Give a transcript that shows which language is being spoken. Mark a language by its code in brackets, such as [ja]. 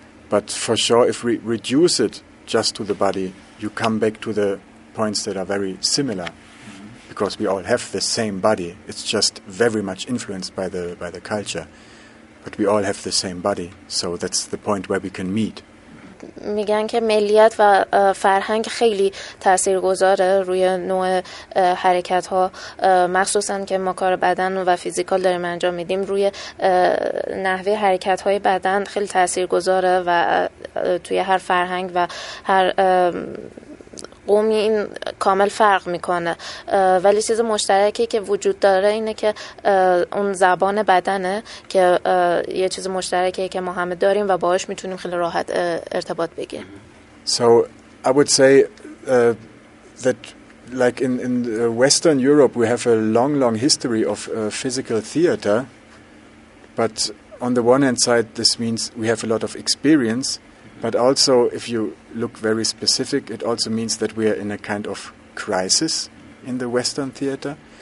[en] But for sure, if we reduce it just to the body, you come back to the points that are very similar. Because we all have the same body, it's just very much influenced by the culture, but we all have the same body, so that's the point where we can meet. [fa] میگن که ملیت و فرهنگ خیلی تاثیرگذاره روی نوع حرکت ها، مخصوصا که ما کار بدن و فیزیکال داریم انجام میدیم، روی نحوه حرکت های بدن خیلی تاثیرگذاره و توی هر فرهنگ و هر قومی این کامل فرق میکنه. ولی چیز مشترکی که وجود داره اینه که اون زبان بدنه که یه چیز مشترکی که ما همه داریم و باهاش میتونیم خیلی راحت ارتباط بگیریم. [en] So I would say that like in Western Europe we have a long long history of physical theater, but on the one hand side this means we have a lot of experience. But also, if you look very specific, it also means that we are in a kind of crisis in the Western theater.